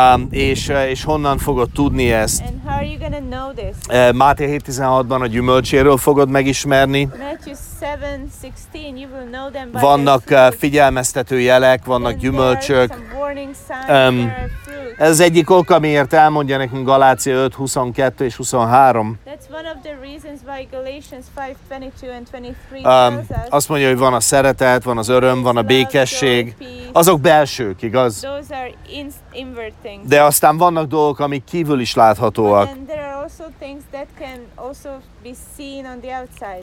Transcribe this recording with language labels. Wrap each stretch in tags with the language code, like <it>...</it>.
<hu>És honnan fogod tudni ezt?</hu> <en>And how are you gonna know this?</en> <hu>Máté 7.16-ban a gyümölcséről fogod megismerni.</hu> <en>Matthew 7.16, you will know them by</en> <hu>vannak figyelmeztető jelek, vannak</hu> <en>and</en> <hu>gyümölcsök.</hu> <en>There are some warning signs, there are fruits.</en> <hu>Ez egyik ok, amiért elmondja nekünk Galácia 5.22 és 23.</hu> <en>That's one of the reasons why Galatians 5.22 and 23 tells us.</en> <hu>Azt mondja, hogy van a szeretet, van az öröm, van a békesség. Azok belsők, igaz?</hu> <en>Those are inward things.</en> <hu>De aztán vannak dolgok, amik kívül is láthatóak.</hu> <en>And there are also things that can also be seen on the outside.</en>